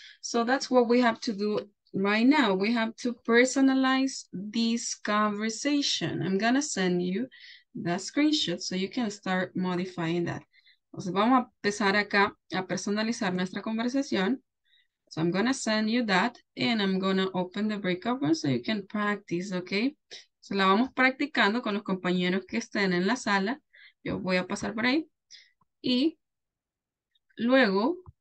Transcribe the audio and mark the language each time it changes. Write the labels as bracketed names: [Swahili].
[English] So that's what we have to do right now. We have to personalize this conversation. I'm gonna send you the screenshot so you can start modifying that. [Spanish] Entonces vamos a empezar acá a personalizar nuestra conversación. [English] So I'm gonna send you that and I'm gonna open the breakout room so you can practice, okay? [Spanish] So la vamos practicando con los compañeros que estén en la sala. Yo voy a pasar por ahí. Y luego